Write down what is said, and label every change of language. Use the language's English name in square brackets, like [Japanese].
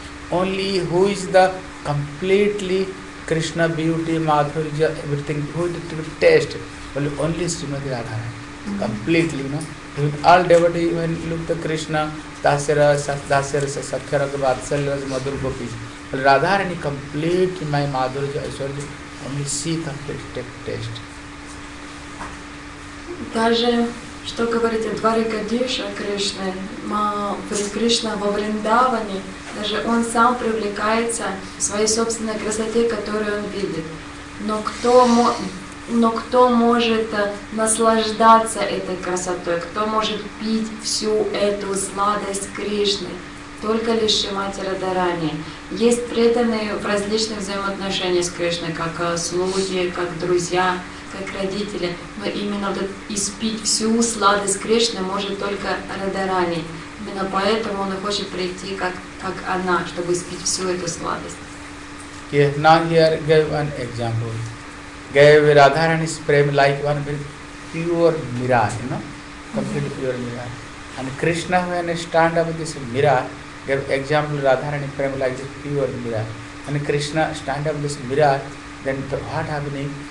[English] Only who is the completely Krishna beauty, Madhurya, everything, who is to taste, well, only Srimati Radharani. Completely, you know, with all devotees, when look the Krishna Dasarasa Sakharaka Vatsalya Madhur Gopi, well, Radharani completely my Madhurya Aishwarya. Only see the text. [Russian] Даже, что говорит о Дваракадиша Кришне, Кришна во Вриндаване, даже он сам привлекается в своей собственной красоте, которую он видит. Но кто может наслаждаться этой красотой? Кто может пить всю эту сладость Кришны? Только лишь Шримати Радхарани. Есть преданные в различных взаимоотношениях с Кришной, как слуги, как друзья, как родители. Но именно испить всю сладость Кришны может только Радхарани. Именно поэтому он и хочет прийти как она, чтобы испить всю эту сладость. [English] Yeah, now here give one example. Gave Radharani's prem like one with pure mirror, you know? Completely pure mirror. And Krishna, when he stand up with this mirror, give example Radharani Prem like this pure mirror. And Krishna stand up with this mirror, then what happening?